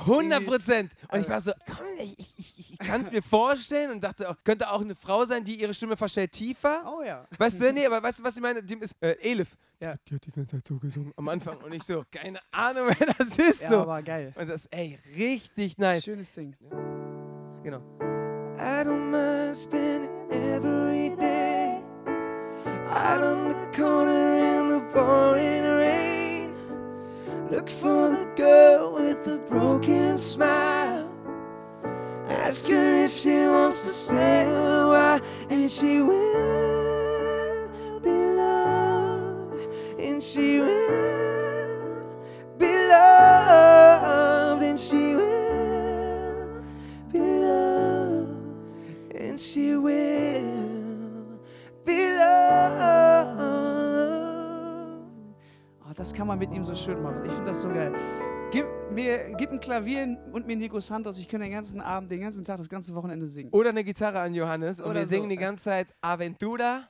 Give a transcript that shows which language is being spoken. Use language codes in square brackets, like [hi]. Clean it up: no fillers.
[de] 100%! Und ich war so, komm, ich ich kann es mir vorstellen und dachte auch, könnte auch eine Frau sein, die ihre Stimme verstellt tiefer. Oh ja. Weißt du, nee, aber weißt du, was ich meine? Die ist Elif. Ja. Die hat die ganze Zeit so gesungen am Anfang und ich so, keine Ahnung, wer das ist. Ja, so. War geil. Und das ist, ey, richtig nice. Schönes Ding. Ja. Genau. [en] I don't mind spending every day out on the corner in the pouring rain. Look for the girl with the broken smile. Ask her if she wants to stay a while, and she will be loved, and she will be loved, and she will be loved, and she will be loved. [de] Oh, das kann man mit ihm so schön machen. Ich finde das so geil. Gib ein Klavier und mir Nico Santos, ich könnte den ganzen Abend, den ganzen Tag, das ganze Wochenende singen. Oder eine Gitarre an Johannes und oder wir singen so die ganze Zeit Aventura.